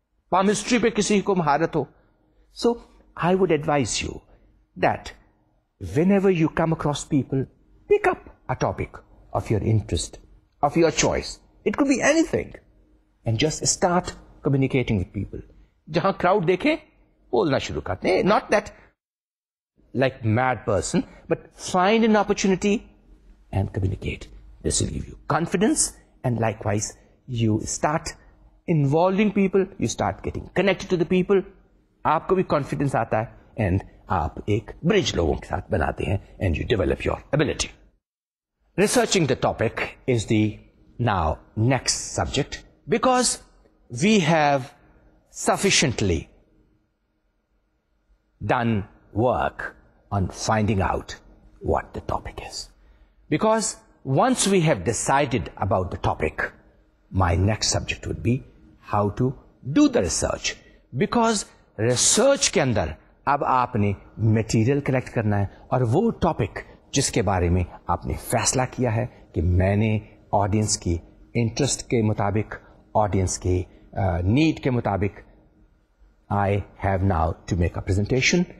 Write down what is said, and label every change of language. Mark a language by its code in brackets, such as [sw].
[ur] Palmistry پہ کسی کو مہارت ہو. [en] So I would advise you that whenever you come across people pick up a topic of your interest of your choice, it could be anything, and just start communicating with people. [ur] جہاں crowd دیکھیں بولنا شروع کرتے ہیں, [en] Not that like mad person, but find an opportunity and communicate. This will give you confidence, and likewise, you start involving people, you start getting connected to the people, [ur] aapko bhi confidence aata hai, [en] and [ur] aap ek bridge logon ke saath banate hain, [en] and you develop your ability. Researching the topic is the now next subject, because we have sufficiently done work on finding out what the topic is. Because once we have decided about the topic, my next subject would be how to do the research. [ur] Because research کے اندر اب آپ نے material collect کرنا ہے, اور وہ topic جس کے بارے میں آپ نے فیصلہ کیا ہے کہ میں نے audience کی interest کے مطابق, audience کی need کے مطابق, [en] I have now to make a presentation.